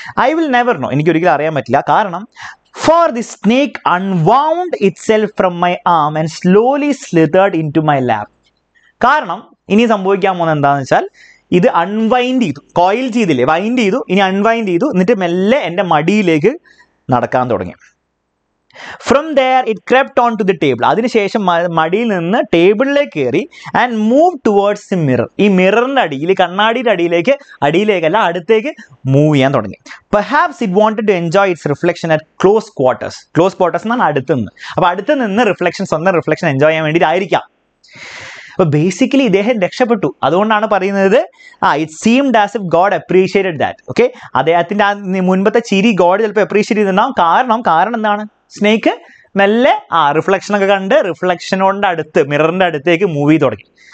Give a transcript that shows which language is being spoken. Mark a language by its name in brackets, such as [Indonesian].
[English] I will never know, [Malayalam] എനിക്കൊരിക്കലും അറിയാൻ പറ്റില്ല. കാരണം [English] For the snake unwound itself from my arm and slowly slithered into my lap. [Malayalam] കാരണം ഇനി സംഭവിക്കാൻ പോകുന്നത് എന്താണെന്ന് വെച്ചാൽ, ഇത് അൺവൈൻഡ് ചെയ്തു, കോയിൽ ചെയ്തില്ലേ, വൈൻഡ് ചെയ്തു, ഇനി അൺവൈൻഡ് ചെയ്തു, എന്നിട്ട് മെല്ലെ എൻ്റെ മടിയിലേക്ക് നടക്കാൻ തുടങ്ങി. [English] From there it crept onto the table. [Malayalam] അതിനുശേഷം മടിയിൽ നിന്ന് ടേബിളിലേക്ക് കയറി [English] and moved towards the mirror. [Malayalam] ഈ മിററിന്റെ അടിയിൽ, കണ്ണാടിയുടെ അടിയിലേക്ക്, അടിയിലേക്കല്ല അടുത്തേക്ക് മൂവ് ചെയ്യാൻ തുടങ്ങി. [English] Perhaps it wanted to enjoy its reflection at close quarters. [Malayalam] Close quarters എന്നാണ് അടുത്ത് നിന്ന്. അപ്പൊ അടുത്ത് നിന്ന് റിഫ്ലക്ഷൻ, സ്വന്തം റിഫ്ലക്ഷൻ എൻജോയ് ചെയ്യാൻ വേണ്ടിയിട്ടായിരിക്കാം. അപ്പൊ ബേസിക്കലി ഇദ്ദേഹം രക്ഷപ്പെട്ടു, അതുകൊണ്ടാണ് പറയുന്നത് ആ [English] It seemed as if God appreciated that. [Malayalam] Okay, അദ്ദേഹത്തിന്റെ ആ മുൻപത്തെ ചിരി ഗോഡ് ചിലപ്പോൾ അപ്രീഷിയേറ്റ് ചെയ്തിട്ടുണ്ടാവും. കാരണം എന്താണ്, സ്നേക്ക് മെല്ലെ ആ റിഫ്ലക്ഷനൊക്കെ കണ്ട് റിഫ്ലക്ഷനോടെ അടുത്ത് മിററിന്റെ അടുത്തേക്ക് മൂവ് ചെയ്ത് തുടങ്ങി.